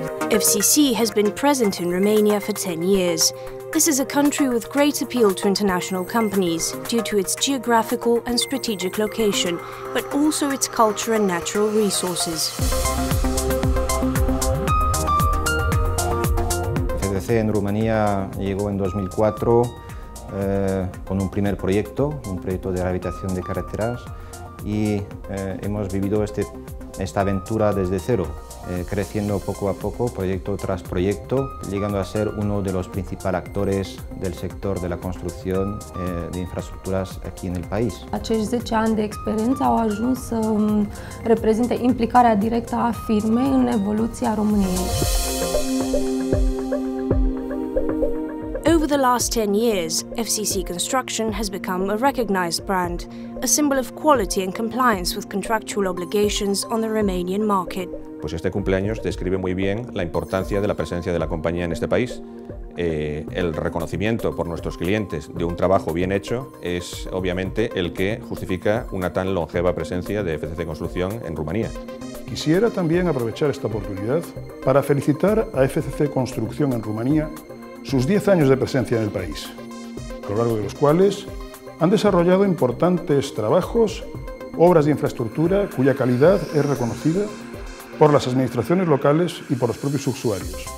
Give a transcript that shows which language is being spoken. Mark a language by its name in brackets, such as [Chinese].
[English] FCC has been present in Romania for 10 years. This is a country with great appeal to international companies due to its geographical and strategic location, but also its culture and natural resources. [Spanish] FCC in Romania llegó en 2004 con un primer proyecto, un proyecto de rehabilitación de carreteras, y hemos vivido esta aventura desde cero. Creciendo poco a poco, proyecto tras proyecto, llegando a ser uno de los principales actores del sector de la construcción de infraestructuras aquí en el país. [Romanian] Acești 10 ani de experiență au ajuns să reprezinte implicarea directă a firmei în evoluția României. [English] Over the last 10 years, FCC Construction has become a recognized brand, a symbol of quality and compliance with contractual obligations on the Romanian market. [Spanish] Pues este cumpleaños describe muy bien la importancia de la presencia de la compañía en este país. El reconocimiento por nuestros clientes de un trabajo bien hecho es obviamente el que justifica una tan longeva presencia de FCC Construcción en Rumanía. Quisiera también aprovechar esta oportunidad para felicitar a FCC Construcción en Rumanía sus 10 años de presencia en el país, a lo largo de los cuales han desarrollado importantes trabajos, obras de infraestructura cuya calidad es reconocida por las administraciones locales y por los propios usuarios.